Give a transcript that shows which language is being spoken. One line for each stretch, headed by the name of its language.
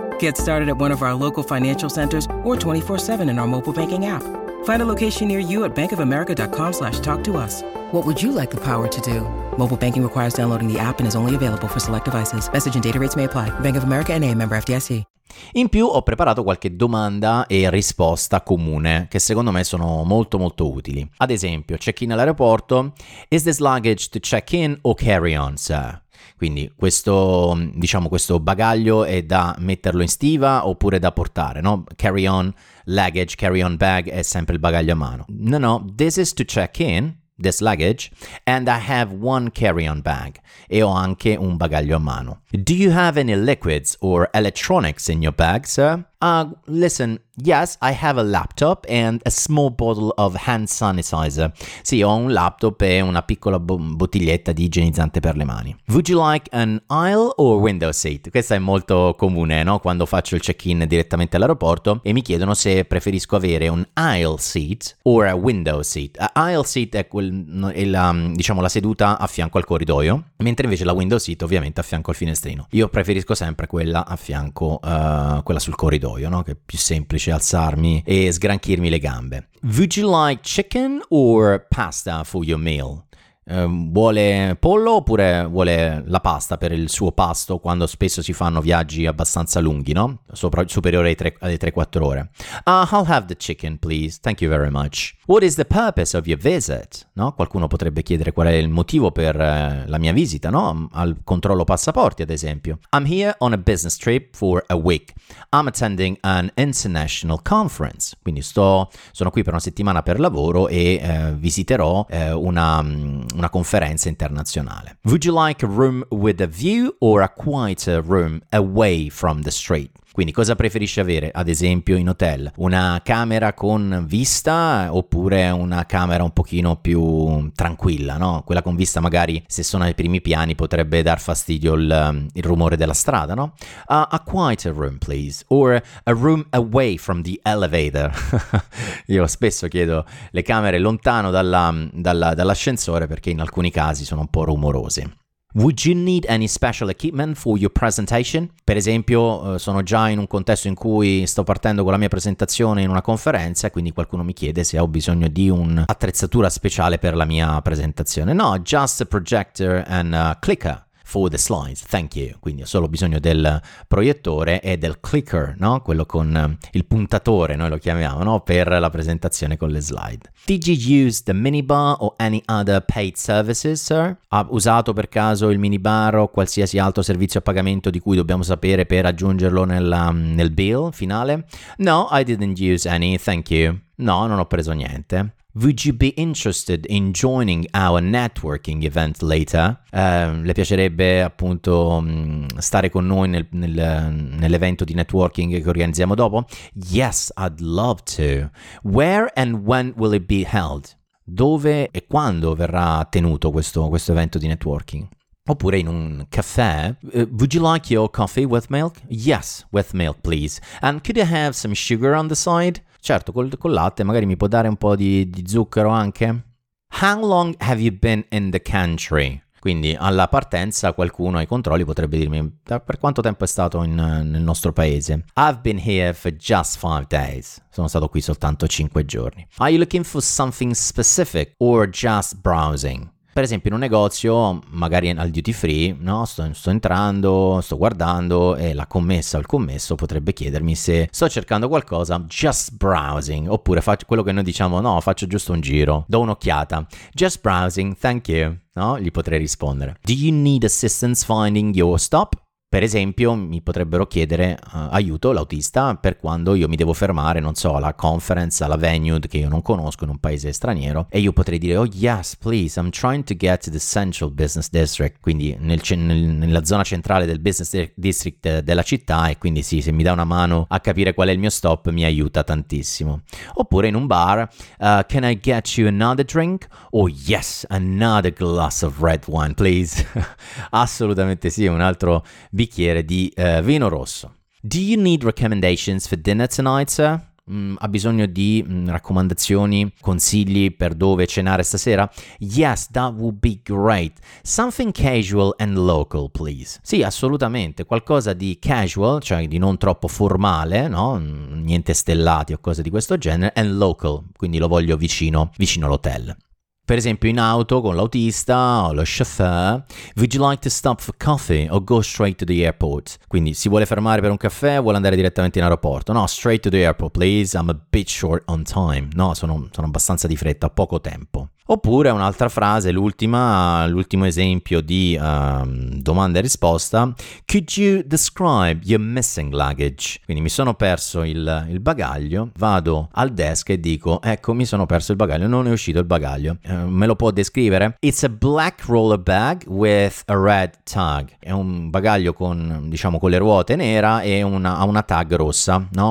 English: Get started at one of our local financial centers or 24/7 in our mobile banking app. Find a location near you at bankofamerica.com/talktous. What would you like the power to do? Mobile banking requires downloading the app and is only available for select devices. Message and data rates may apply. Bank of America NA, member FDIC.
Italian: In più ho preparato qualche domanda e risposta comune che secondo me sono molto molto utili. Ad esempio, check-in all'aeroporto.
English: Is this luggage to check-in or carry-on, sir?
Italian: Quindi questo bagaglio è da metterlo in stiva oppure da portare, no?
English: Carry on luggage, carry on bag
Italian: è sempre il bagaglio a mano.
English: No, this is to check in, this luggage, and I have one carry on bag,
Italian: e ho anche un bagaglio a mano.
English: Do you have any liquids or electronics in your bag, sir? Listen, yes, I have a laptop and a small bottle of hand sanitizer.
Italian: Sì, ho un laptop e una piccola bottiglietta di igienizzante per le mani.
English: Would you like an aisle or window seat?
Italian: Questa è molto comune, no? Quando faccio il check-in direttamente all'aeroporto e mi chiedono se preferisco avere un
English: aisle seat or a window seat.
Italian: Aisle seat è la seduta a fianco al corridoio, mentre invece la window seat ovviamente a fianco al finestrino. Io preferisco sempre quella a fianco, quella sul corridoio. No? Che è più semplice alzarmi e sgranchirmi le gambe.
English: Would you like chicken or pasta for your meal?
Italian: Vuole pollo oppure vuole la pasta per il suo pasto, quando spesso si fanno viaggi abbastanza lunghi, no? Superiore alle 3-4 ore.
English: I'll have the chicken, please. Thank you very much. What is the purpose of your visit?
Italian: No? Qualcuno potrebbe chiedere qual è il motivo per la mia visita, no? Al controllo passaporti, ad esempio.
English: I'm here on a business trip for a week. I'm attending an international conference.
Italian: Quindi sono qui per una settimana per lavoro e visiterò una conferenza internazionale.
English: Would you like a room with a view or a quieter room away from the street?
Italian: Quindi cosa preferisci avere, ad esempio, in hotel? Una camera con vista oppure una camera un pochino più tranquilla, no? Quella con vista, magari, se sono ai primi piani, potrebbe dar fastidio il rumore della strada, no?
English: A quieter room, please. Or a room away from the elevator.
Italian: Io spesso chiedo le camere lontano dall'ascensore perché in alcuni casi sono un po' rumorose.
English: Would you need any special equipment for your presentation?
Italian: Per esempio, sono già in un contesto in cui sto partendo con la mia presentazione in una conferenza, quindi qualcuno mi chiede se ho bisogno di un'attrezzatura speciale per la mia presentazione.
English: No, just a projector and a clicker for the slides, thank you.
Italian: Quindi ho solo bisogno del proiettore e del clicker, no? Quello con il puntatore, noi lo chiamiamo, no? Per la presentazione con le slide.
English: Did you use the minibar or any other paid services, sir?
Italian: Ha usato per caso il minibar o qualsiasi altro servizio a pagamento di cui dobbiamo sapere per aggiungerlo nel bill finale?
English: No, I didn't use any, thank you.
Italian: No, non ho preso niente.
English: Would you be interested in joining our networking event later?
Italian: Le piacerebbe appunto stare con noi nell'evento di networking che organizziamo dopo?
English: Yes, I'd love to. Where and when will it be held?
Italian: Dove e quando verrà tenuto questo evento di networking? Oppure in un caffè?
English: Would you like your coffee with milk? Yes, with milk, please. And could you have some sugar on the side?
Italian: Certo, col latte magari mi può dare un po' di zucchero anche.
English: How long have you been in the country?
Italian: Quindi alla partenza qualcuno ai controlli potrebbe dirmi per quanto tempo è stato nel nostro paese.
English: I've been here for just 5 days.
Italian: Sono stato qui soltanto 5 giorni.
English: Are you looking for something specific or just browsing?
Italian: Per esempio in un negozio, magari al duty free, no? Sto entrando, sto guardando e la commessa o il commesso potrebbe chiedermi se sto cercando qualcosa, just browsing, oppure faccio quello che noi diciamo, no, faccio giusto un giro, do un'occhiata,
English: just browsing, thank you,
Italian: no? Gli potrei rispondere.
English: Do you need assistance finding your stop?
Italian: Per esempio mi potrebbero chiedere aiuto l'autista per quando io mi devo fermare, non so, alla conference, alla venue che io non conosco in un paese straniero, e io potrei dire,
English: oh yes, please, I'm trying to get to the central business district,
Italian: quindi nella zona centrale del business district della città, e quindi sì, se mi dà una mano a capire qual è il mio stop mi aiuta tantissimo. Oppure in un bar,
English: can I get you another drink? Oh yes, another glass of red wine, please.
Italian: Assolutamente sì, un altro bicchiere di vino rosso.
English: Do you need recommendations for dinner tonight, sir?
Italian: Ha bisogno di raccomandazioni, consigli per dove cenare stasera?
English: Yes, that would be great. Something casual and local, please.
Italian: Sì, assolutamente. Qualcosa di casual, cioè di non troppo formale, no? Niente stellati o cose di questo genere,
English: and local,
Italian: quindi lo voglio vicino all'hotel. Per esempio in auto con l'autista o lo chauffeur,
English: would you like to stop for coffee or go straight to the airport?
Italian: Quindi si vuole fermare per un caffè o vuole andare direttamente in aeroporto?
English: No, straight to the airport, please, I'm a bit short on time.
Italian: No, sono abbastanza di fretta, ho poco tempo. Oppure un'altra frase, l'ultimo esempio di domanda e risposta.
English: Could you describe your missing luggage?
Italian: Quindi mi sono perso il bagaglio, vado al desk e dico, ecco, mi sono perso il bagaglio, non è uscito il bagaglio. Me lo può descrivere?
English: It's a black roller bag with a red tag.
Italian: È un bagaglio con, diciamo, con le ruote nera e ha una tag rossa, no?